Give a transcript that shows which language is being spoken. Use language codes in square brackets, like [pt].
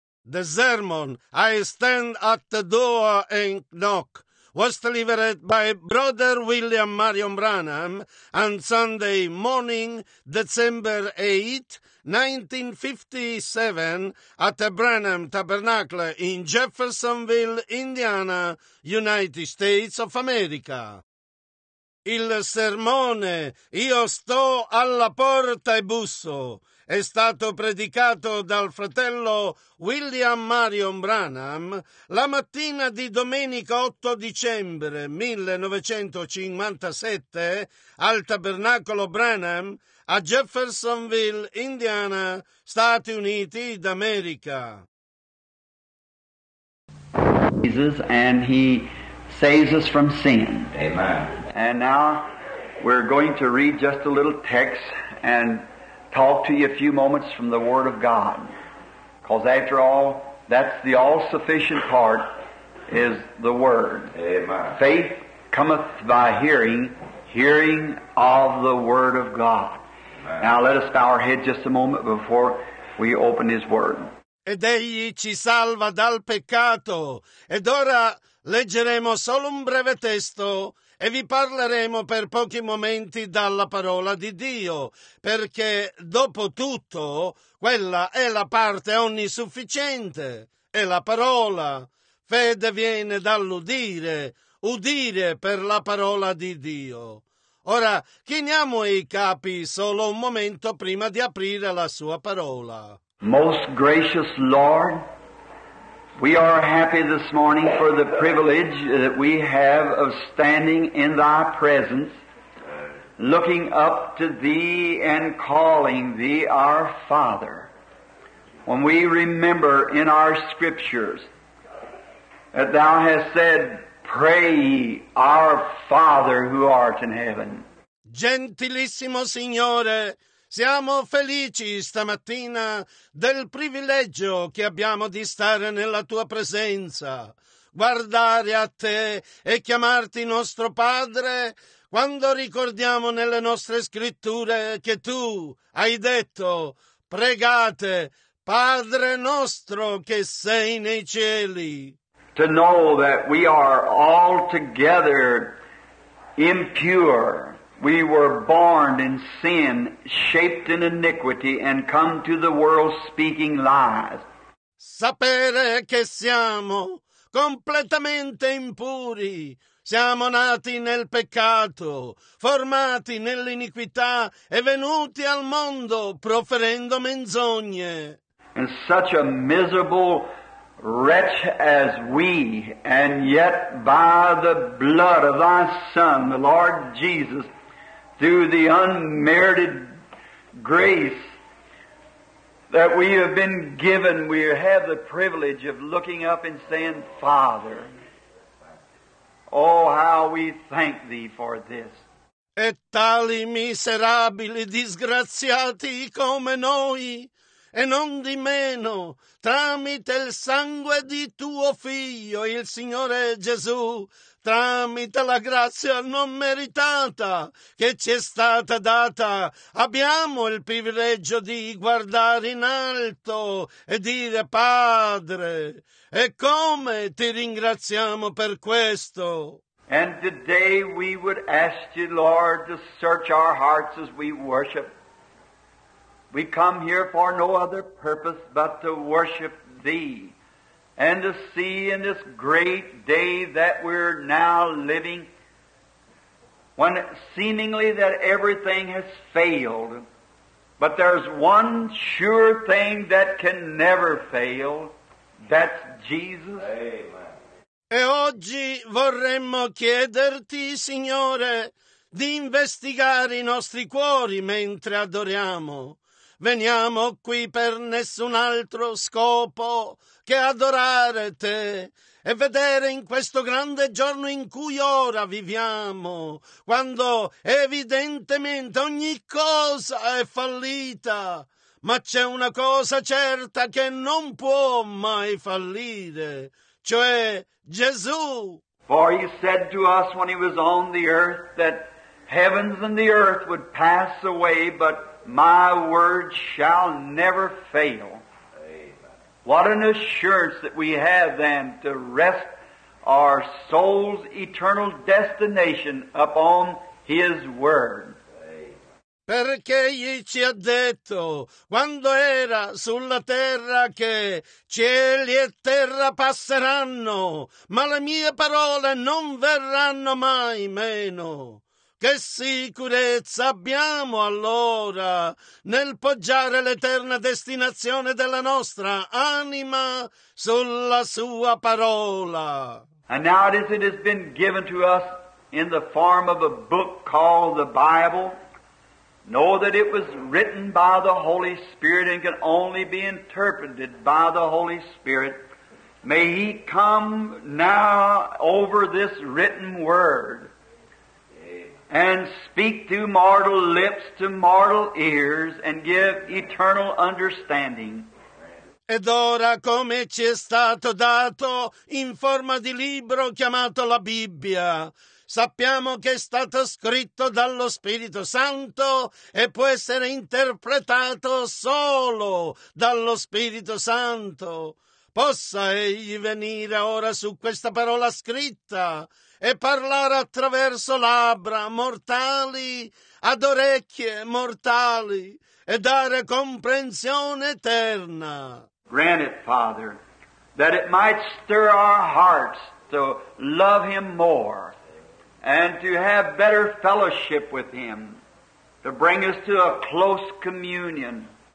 [en] the sermon, I stand at the door and knock, was delivered by Brother William Marion Branham on Sunday morning, December 8, 1957, at the Branham Tabernacle in Jeffersonville, Indiana, United States of America. [it] Il sermone «Io sto alla porta e busso» è stato predicato dal fratello William Marion Branham la mattina di domenica 8 dicembre 1957 al Tabernacolo Branham a Jeffersonville, Indiana, Stati Uniti d'America. [en] Jesus, and he saves us from sin. Amen. And now we're going to read just a little text and talk to you a few moments from the Word of God. Because after all, that's the all-sufficient part, is the Word. Amen. Faith cometh by hearing, hearing of the Word of God. Amen. Now let us bow our head just a moment before we open His Word. [it] Ed egli ci salva dal peccato. Ed ora leggeremo solo un breve testo. E vi parleremo per pochi momenti dalla parola di Dio, perché dopo tutto quella è la parte onnisufficiente, è la parola. Fede viene dall'udire, udire per la parola di Dio. Ora chiniamo i capi solo un momento prima di aprire la sua parola. [en] Most gracious Lord, we are happy this morning for the privilege that we have of standing in Thy presence, looking up to Thee and calling Thee our Father. When we remember in our Scriptures that Thou hast said, pray ye, our Father who art in heaven. [it] Gentilissimo Signore, siamo felici stamattina del privilegio che abbiamo di stare nella Tua presenza, guardare a Te e chiamarti nostro Padre, quando ricordiamo nelle nostre Scritture che Tu hai detto, pregate, Padre nostro che sei nei cieli. [en] To know that we are altogether impure. We were born in sin, shaped in iniquity, and come to the world speaking lies. [it] Sapere che siamo completamente impuri. Siamo nati nel peccato, formati nell'iniquità, e venuti al mondo proferendo menzogne. [en] And such a miserable wretch as we, and yet by the blood of Thy Son, the Lord Jesus, through the unmerited grace that we have been given, we have the privilege of looking up and saying, Father, oh, how we thank Thee for this. [it] E tali miserabili disgraziati come noi, e non di meno, tramite il sangue di Tuo Figlio, il Signore Gesù, tramite la grazia non meritata che ci è stata data, abbiamo il privilegio di guardare in alto e dire, Padre, e come Ti ringraziamo per questo. [en] And today we would ask You, Lord, to search our hearts as we worship. We come here for no other purpose but to worship Thee. And to see in this great day that we're now living, when seemingly that everything has failed, but there's one sure thing that can never fail, that's Jesus. Amen. [it] E oggi vorremmo chiederti, Signore, di investigare i nostri cuori mentre adoriamo. Veniamo qui per nessun altro scopo che adorare Te e vedere in questo grande giorno in cui ora viviamo, quando evidentemente ogni cosa è fallita, ma c'è una cosa certa che non può mai fallire, cioè Gesù. [en] For He said to us when He was on the earth that heavens and the earth would pass away, but My word shall never fail. Amen. What an assurance that we have then to rest our soul's eternal destination upon His Word. [it] Perché Egli ci ha detto, quando era sulla terra, che cieli e terra passeranno, ma le mie parole non verranno mai meno. Che sicurezza abbiamo allora nel poggiare l'eterna destinazione della nostra anima sulla Sua parola. [en] And now it has been given to us in the form of a book called the Bible. Know that it was written by the Holy Spirit and can only be interpreted by the Holy Spirit. May He come now over this written word and speak to mortal lips, to mortal ears, and give eternal understanding. [it] Ed ora, come ci è stato dato in forma di libro chiamato la Bibbia, sappiamo che è stato scritto dallo Spirito Santo e può essere interpretato solo dallo Spirito Santo. Possa Egli venire ora su questa parola scritta e parlare attraverso labbra mortali ad orecchie mortali e dare comprensione eterna. [en] Grant it, Father, that it might stir our hearts to love Him more and to have better fellowship with Him, to bring us to a close communion.